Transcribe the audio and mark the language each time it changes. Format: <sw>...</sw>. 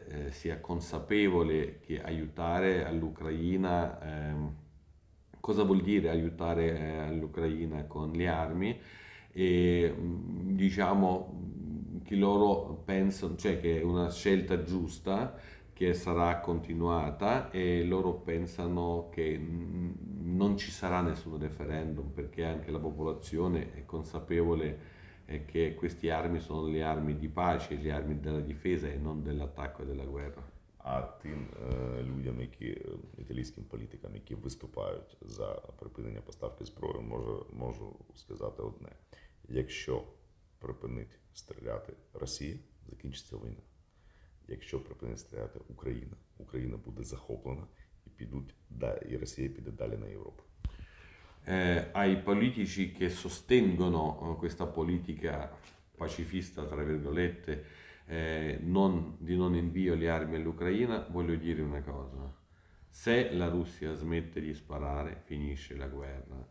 <it>sia consapevole che aiutare all'Ucraina cosa vuol dire aiutare l'Ucraina con le armi e diciamo che loro pensano, cioè che è una scelta giusta che sarà continuata e loro pensano che non ci sarà nessun referendum perché anche la popolazione è consapevole è che queste armi sono le armi di pace, le armi della difesa e non dell'attacco e della guerra.</it> <uk>А тим людям, які італійським політикам, які виступають за припинення поставки зброї, можу сказати одне: якщо припинить стріляти Росія, закінчиться війна. Якщо припинить стріляти Україна, Україна буде захоплена і підуть да, і Росія піде далі на Європу.</uk> <it>Ai politici che sostengono questa politica pacifista, tra virgolette, non, di non invio le armi all'Ucraina, voglio dire una cosa. Se la Russia smette di sparare, finisce la guerra.</it>